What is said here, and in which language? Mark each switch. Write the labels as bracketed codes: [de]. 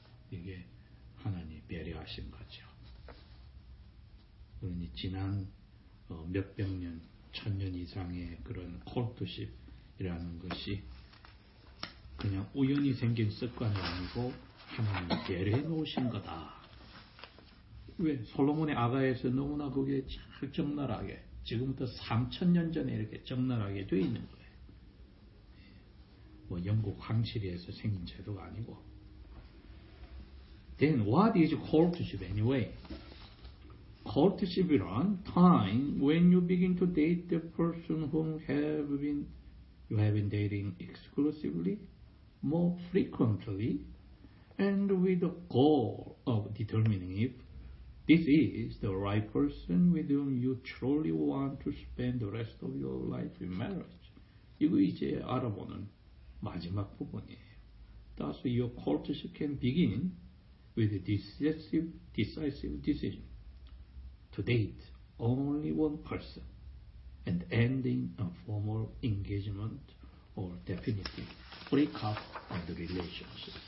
[ko] 이게 하나님 배려하신 거죠. 그러니 지난 몇백 년, 천년 이상의 그런 courtship이라는 것이 그냥 우연히 생긴 습관이 아니고 하나님 배려해 놓으신 거다. 왜? 솔로몬의 아가에서 너무나 그게 적나라하게 지금부터 3000년 전에 이렇게 적나라하게 되어 있는 거예요. 뭐 영국 황실에서 생긴 제도가 아니고. [en] Then what is courtship anyway? Courtship이란 time when you begin to date the person whom you have been dating exclusively, more frequently, and with the goal of determining if this is the right person with whom you truly want to spend the rest of your life in marriage. [ko] 이거 이제 알아보는 마지막 부분이에요. [en] Thus, your courtship can begin with a decisive decision to date only one person and end in a formal engagement or definitive breakup of the relationship.